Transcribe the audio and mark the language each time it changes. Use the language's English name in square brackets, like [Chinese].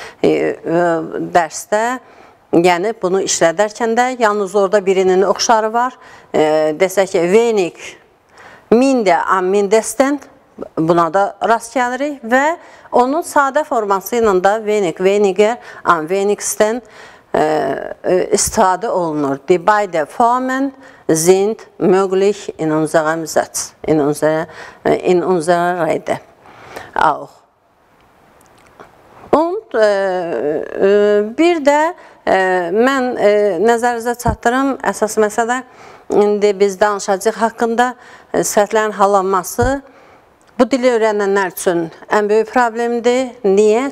[Azerbaijani] Dərsdə, yəni bunu işlədərkən də yalnız orada birinin oxşarı var. Desək ki, [German] wenig, minde, am mindesten, [Azerbaijani] buna da rast gəlirik və onun sadə forması ilə də [German] wenig, weniger, am wenigsten [Azerbaijani] istifadə olunur. [German] Die beide Formen sind möglich in unserem Satz, in unserer Rede. Auch. [Azerbaijani] Und bir də mən nəzərinizə çatdırım əsas məsələ indi biz danışacağıq haqqında sifətlərin hallanması bu dili öyrənənlər üçün ən böyük problemdir. Niyə?